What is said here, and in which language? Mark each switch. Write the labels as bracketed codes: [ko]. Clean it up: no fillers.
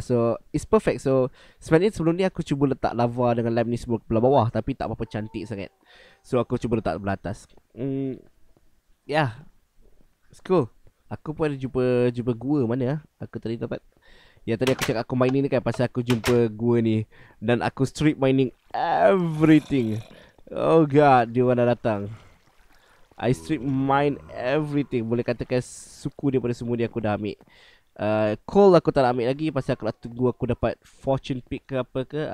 [en] So, it's perfect. [ms] So, sebenarnya sebelum ni aku cuba letak lava dengan lime ni sebelah belah bawah. Tapi tak apa-apa cantik sangat. So, aku cuba letak belah atas. Yeah. [en] It's cool. [ms] Aku pun ada jumpa gua mana lah. Aku tadi dapat. Ya, tadi aku cakap aku mining ni kan pasal aku jumpa gua ni. Dan aku strip mining everything. [en] Oh god, [ms] dia mana datang. [en] I strip mine everything. [ms] Boleh katakan suku daripada semua dia aku dah ambil. Coal aku tak nak ambil lagi pasal aku nak tunggu aku dapat fortune pick ke apa ke.